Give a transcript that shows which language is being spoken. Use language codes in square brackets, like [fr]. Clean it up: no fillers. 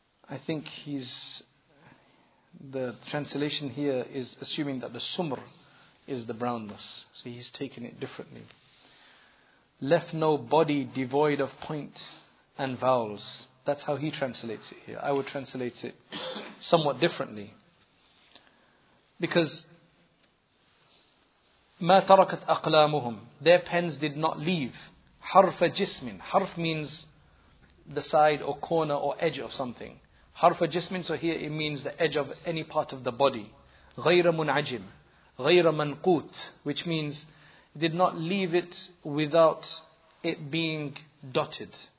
[en] I think the translation here is assuming that the Sumr is the brownness. So he's taken it differently. Left no body devoid of point and vowels. That's how he translates it here. I would translate it somewhat differently. Because [ar] مَا تَرَكَتْ أَقْلَامُهُمْ. [en] Their pens did not leave. [ar] حَرْفَ جِسْمٍ. [en] حَرْف means the side or corner or edge of something. حَرْفَ جِسْمٍ. So here it means the edge of any part of the body. [ar] غَيْرَ مُنْعَجِمٍ. غَيْرَ مَنْقُوتٍ. [en] Which means did not leave it without it being dotted.